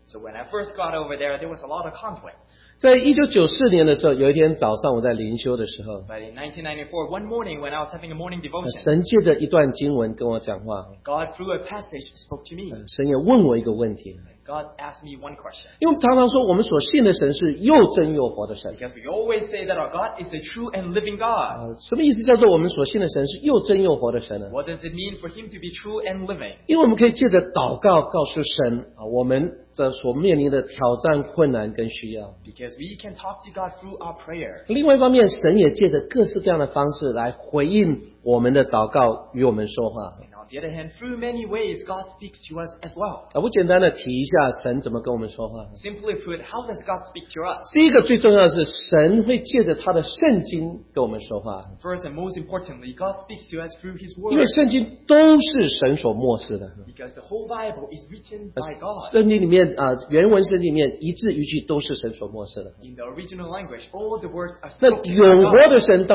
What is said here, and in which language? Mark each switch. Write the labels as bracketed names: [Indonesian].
[English] So when I first got over there, there was a lot of conflict. [Chinese] 在1994年的时候，有一天早上我在灵修的时候， [English] By 1994, one morning when I was having a morning devotion, [Chinese] 神借着一段经文跟我讲话。 [English] God through a passage spoke to me. [Chinese] 神也问我一个问题。 [English] God asked me one question. [Chinese] 因为我们常常说我们所信的神是又真又活的神。 [English] Because we always say that our God is a true and living God. [Chinese] 什么意思叫做我们所信的神是又真又活的神呢？ [English] What does it mean for him to be true and living? [Chinese] 因为我们可以借着祷告告诉神我们所面临的挑战困难跟需要。 [English] Because we can talk to God through our prayers. [Chinese] 另外一方面神也借着各式各样的方式来回应我们的祷告与我们说话。 [English] On the other hand, through many ways, God speaks to us as well. [Chinese] 我简单的提一下神怎么跟我们说话。 [English] Simply put, how does God speak to us? [Chinese] 第一个最重要的是神会借着他的圣经跟我们说话。 [English] First and most importantly, God speaks to us through His Word. [Chinese] 因为圣经都是神所默示的。 [English] Because the whole Bible is written by God. [Chinese] 圣经里面原文圣经里面一字一句都是神所默示的。 [English] In the original language, all the words are spoken.